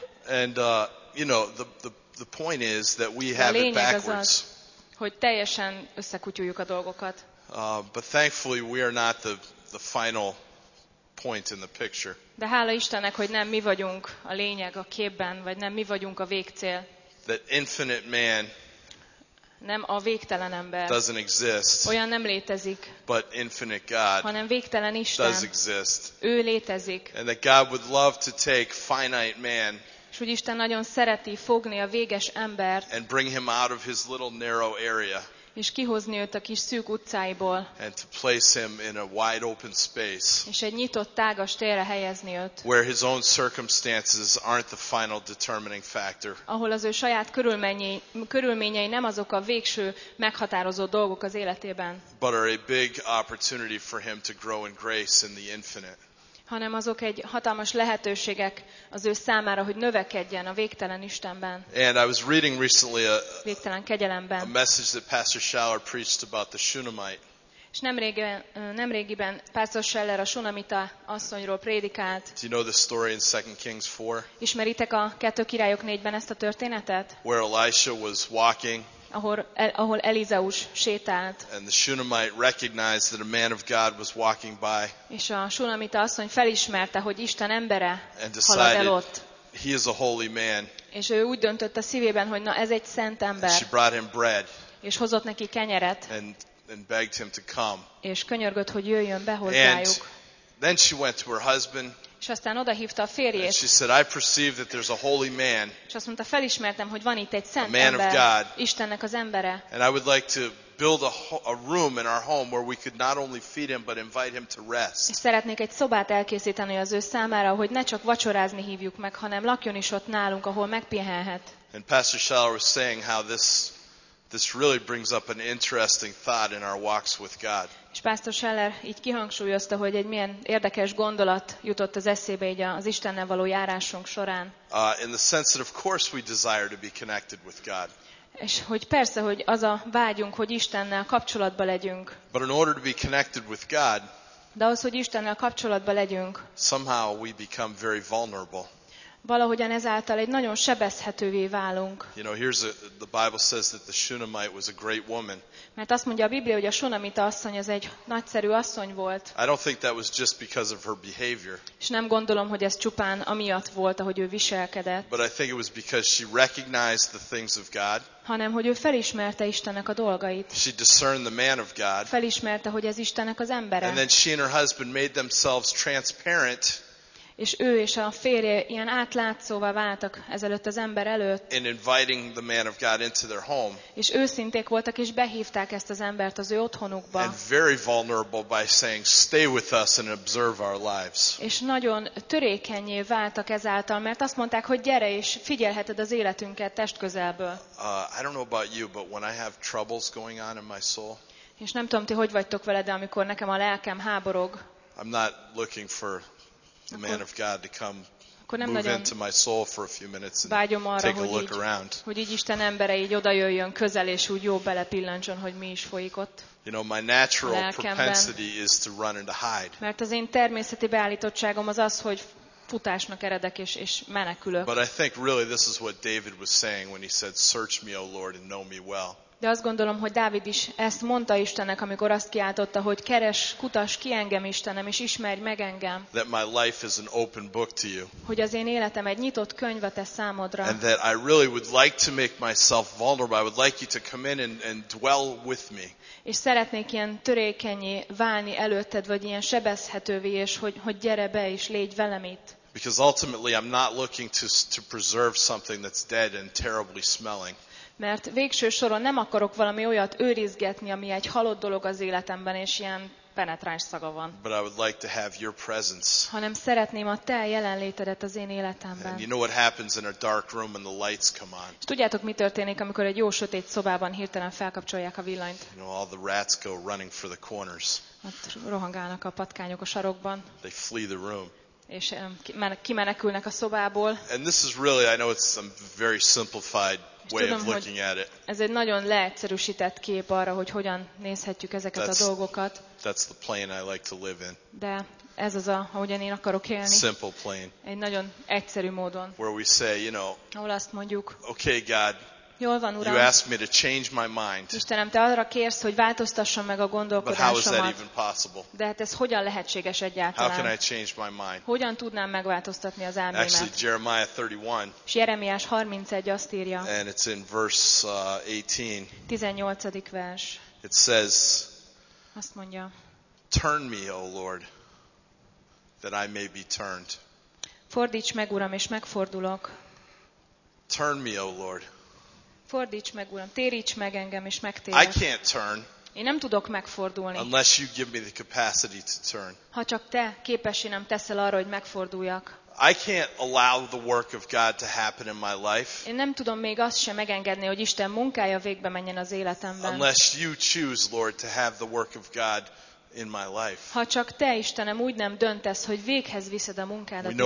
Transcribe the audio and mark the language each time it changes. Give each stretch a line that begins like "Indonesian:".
English: And, you know, the point is that we have it backwards.
Hungarian: Hogy teljesen összekutyuljuk a dolgokat.
English: But thankfully we are not the final point in the picture.
Hungarian: De hála Istennek, hogy nem mi vagyunk a lényeg a képben, vagy nem mi vagyunk a végcél.
English: That infinite man,
Hungarian: nem a végtelen ember,
English: doesn't exist.
Hungarian: Olyan nem létezik.
English: But infinite God,
Hungarian: hanem végtelen Isten,
English: does exist.
Hungarian: Ő létezik.
English: And that God would love to take finite man,
Hungarian: és hogy Isten nagyon szereti fogni a véges embert,
English: and bring him out of his little narrow area,
Hungarian: és kihozni őt a kis szűk utcáiból,
English: and to place him in a wide open space,
Hungarian: és egy nyitott tágas térre helyezni őt,
English: where his own circumstances aren't the final determining factor,
Hungarian: ahol az ő saját körülményei nem azok a végső meghatározó dolgok az életében,
English: but are a big opportunity for him to grow in grace in the infinite,
Hungarian: hanem azok egy hatalmas lehetőségek az ő számára, hogy növekedjen a végtelen Istenben.
English: And I was reading recently
Hungarian: végtelen kegyelemben.
English: A message that Pastor Schaller preached about the Shunammite.
Hungarian: És nemrégiben Pastor Schaller a Shunamita asszonyról prédikált.
English: Do you know the story in 2 Kings 4?
Hungarian: Ismeritek a 2 Királyok 4-ben ezt a történetet?
English: Where Elisha was walking.
Hungarian: Ahol Elizeus sétált.
English: And the Shunammite recognized that a man of God was walking by.
Hungarian: És a Shunamita asszony felismerte, hogy Isten embere halad el ott.
English: And decided, he is a holy man.
Hungarian: És ő úgy döntött a szívében, hogy na ez egy szent ember.
English: And she brought him bread.
Hungarian: És hozott neki kenyeret.
English: And begged him to come.
Hungarian: És könyörgött, hogy jöjjön be hozzájuk.
English: And then she went to her husband.
Hungarian: És aztán odahívta a férjét.
English: And she said, I perceive that there's a holy man.
Hungarian: És azt mondta, felismertem, hogy van itt egy szent ember.
English: A man of God.
Hungarian: Istennek az embere.
English: And I would like to build a room in our home where we could not only feed him but invite him to rest.
Hungarian: És szeretnék egy szobát elkészíteni az ő számára, hogy ne csak vacsorázni hívjuk meg, hanem lakjon is ott nálunk, ahol megpihenhet.
English: And Pastor Schaller was saying how this really brings up an interesting thought in our walks with God.
Hungarian: És Pásztor Scheller így kihangsúlyozta, hogy egy milyen érdekes gondolat jutott az eszébe így az Istennel való járásunk során.
English: In the sense that of course we desire to be connected with God.
Hungarian: És hogy persze, hogy az a vágyunk, hogy Istennel kapcsolatba legyünk.
English: But in order to be connected with God,
Hungarian: de ahhoz, hogy Istennel kapcsolatba legyünk,
English: somehow we become very vulnerable.
Hungarian: Valahogyan ezáltal egy nagyon sebezhetővé válunk.
English: You know, the Bible says that the Shunammite was a great woman.
Hungarian: Mert azt mondja a Biblia, hogy a Shunamita asszony az egy nagyszerű asszony volt.
English: I don't think that was just because of her behavior.
Hungarian: És nem gondolom, hogy ez csupán amiatt volt, ahogy ő viselkedett.
English: But I think it was because she recognized the things of God.
Hungarian: Hanem hogy ő felismerte Istennek a dolgait.
English: She discerned the man of God.
Hungarian: Felismerte, hogy ez Istennek az embere.
English: And then she and her husband made themselves transparent.
Hungarian: És ő és a férje ilyen átlátszóvá váltak ezelőtt az ember előtt.
English: In inviting the man of God into their home.
Hungarian: És őszinték voltak és behívták ezt az embert az ő otthonukba.
English: And very vulnerable by saying, stay with us and observe our lives.
Hungarian: És nagyon törékenyé váltak ezáltal, mert azt mondták, hogy gyere és figyelheted az életünket testközelből.
English: I don't know about you, but when I have troubles going on in my soul.
Hungarian: És nem tudom, ti hogy vagytok veled, de amikor nekem a lelkem háborog.
English: I'm not looking for the man of God to come move into my soul for a few minutes and
Hungarian: arra,
English: take a look
Hungarian: így,
English: around.
Hungarian: Hogy így Isten embere így odajöjjön közel és úgy jó belepillancson, hogy mi is folyik ott.
English: You know, my natural propensity is to run and to hide.
Hungarian: Mert az én természeti beállítottságom az az, hogy futásnak eredek és menekülök.
English: But I think really this is what David was saying when he said, "Search me, O Lord, and know me well."
Hungarian: De azt gondolom, hogy Dávid is ezt mondta Istennek, amikor azt kiáltotta, hogy keres, kutass ki engem, Istenem, és ismerj meg engem.
English: That my life is an open book to you.
Hungarian: Hogy az én életem egy nyitott könyv a te számodra.
English: And that I really would like to make myself vulnerable. I would like you to come in and dwell with me.
Hungarian: És szeretnék ilyen törékenyé válni előtted, vagy ilyen sebezhetővé, és hogy gyere be és légy velem itt.
English: Because ultimately I'm not looking to preserve something that's dead and terribly smelling.
Hungarian: Mert végső soron nem akarok valami olyat őrizgetni, ami egy halott dolog az életemben, és ilyen penetráns szaga van.
English: But I would like to have your presence.
Hungarian: Hanem szeretném a te jelenlétedet az én életemben.
English: And you know what happens in a dark room when the lights come on.
Hungarian: És tudjátok, mi történik, amikor egy jó sötét szobában hirtelen felkapcsolják a villanyt.
English: You know, all the rats go running for the corners.
Hungarian: Ott rohangálnak a patkányok a sarokban.
English: They flee the room.
Hungarian: és kimenekülnek a szobából.
English: And this is really, I know it's some very simplified way of looking at it.
Hungarian: Ez egy nagyon leegyszerűsített kép arra, hogy hogyan nézhetjük ezeket a dolgokat.
English: That's the plane I like to live in.
Hungarian: De ez az, ahogyan én akarok élni.
English: Simple plane.
Hungarian: Egy nagyon egyszerű módon.
English: Where we say, you know,
Hungarian: ahol azt mondjuk,
English: okay, God,
Hungarian: jól van, Uram.
English: You asked me to change my mind.
Hungarian: Istenem, te arra kérsz, hogy változtassam meg a gondolkodásomat.
English: But how is that even possible?
Hungarian: De hát ez hogyan lehetséges egyáltalán?
English: How can I change my mind?
Hungarian: Hogyan tudnám megváltoztatni az elmémet?
English: Actually, Jeremiah 31.
Hungarian: És Jeremiás 31 azt írja.
English: And it's in verse 18.
Hungarian: 18. vers.
English: It says,
Hungarian: azt mondja,
English: turn me, O Lord, that I may be turned.
Hungarian: Fordíts meg, Uram, és megfordulok.
English: Turn me, O Lord.
Hungarian: Fordíts meg, Uram, téríts meg engem, és megtérek.
English: I can't turn.
Hungarian: Én nem tudok megfordulni.
English: Unless you give me the capacity to turn.
Hungarian: Ha csak te képessé nem teszel arra, hogy megforduljak.
English: I can't allow the work of God to happen in my life.
Hungarian: Én nem tudom még azt sem megengedni, hogy Isten munkája végbe menjen az életemben.
English: Unless you choose, Lord, to have the work of God in my life.
Hungarian: Ha csak te, Istenem, úgy nem döntesz, hogy véghez viszed a munkádat bennem.